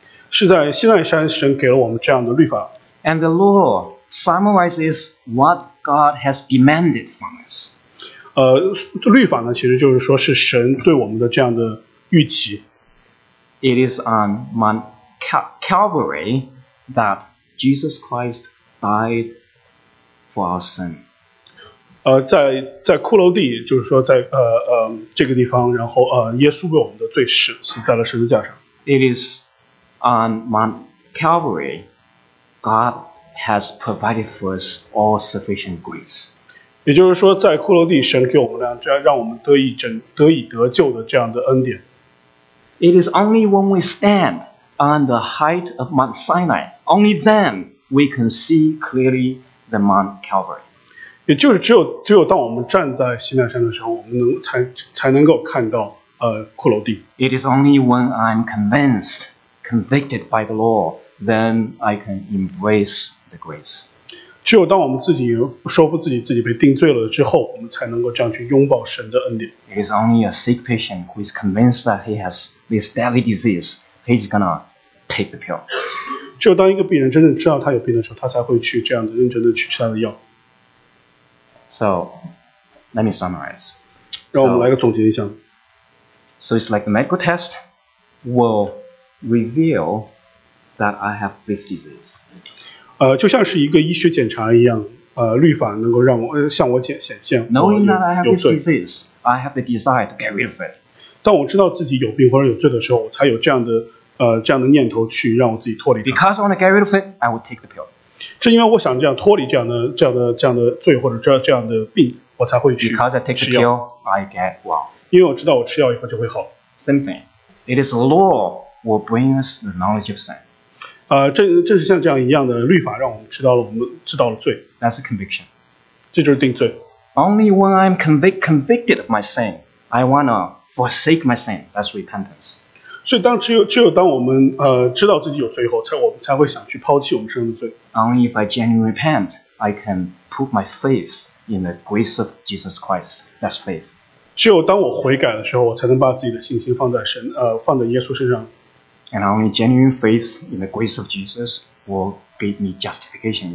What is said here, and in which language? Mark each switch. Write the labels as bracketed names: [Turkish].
[Chinese] 是在西奈山，神给了我们这样的律法。 [English] And the law summarizes what? God has demanded from us. [Chinese] 律法呢，其实就是说是神对我们的这样的预期。 [English] It is on Mount Calvary that Jesus Christ died for our sin. [Chinese] 在骷髅地，就是说在这个地方，然后耶稣为我们的罪死在了十字架上。 [English] It is on Mount Calvary, God. Has provided for us all sufficient grace. [Chinese] 也就是说，在骷髅地，神给我们这样，让我们得以得救的这样的恩典。 [English] It is only when we stand on the height of Mount Sinai, only then we can see clearly the Mount Calvary. [Chinese] 也就是只有当我们站在西奈山的时候，我们才能够看到骷髅地。 [English] It is only when I'm convicted by the law. Then I can embrace the grace. [Chinese] 只有当我们自己说服自己，自己被定罪了之后，我们才能够这样去拥抱神的恩典。 [English] It is only a sick patient who is convinced that he has this deadly disease, he's gonna take the pill. [Chinese] 只有当一个病人真正知道他有病的时候，他才会去这样的认真的去吃他的药。 [English] So, let me summarize. [Chinese] 让我们来个总结一下。 [English] So it's like the medical test will reveal. That I have this disease. [Chinese] 就像是一个医学检查一样，律法能够让我向我显现。 [English] Knowing that I have this disease, I have the desire to get rid of it. [Chinese] 当我知道自己有病或者有罪的时候，我才有这样的念头去让我自己脱离。 [English] Because I want to get rid of it, I will take the pill. [Chinese] 正因为我想这样脱离这样的罪或者这样的病，我才会去吃药。 [English] Because I take the pill, I get well. [Chinese] 因为我知道我吃药以后就会好。 [English] Same thing. It is the law will bring us the knowledge of sin. [Chinese] 这是像这样一样的律法，让我们知道了罪。 [English] That's a conviction. [Chinese] 这就是定罪。 [English] Only when I'm convicted of my sin, I wanna forsake my sin. That's repentance. [Chinese] 所以当只有当我们知道自己有罪以后，我们才会想去抛弃我们身上的罪。 [English] Only if I genuinely repent, I can put my faith in the grace of Jesus Christ. That's faith. [Chinese] 只有当我悔改的时候，我才能把自己的信心放在耶稣身上。 [English] And only genuine faith in the grace of Jesus will give me justification.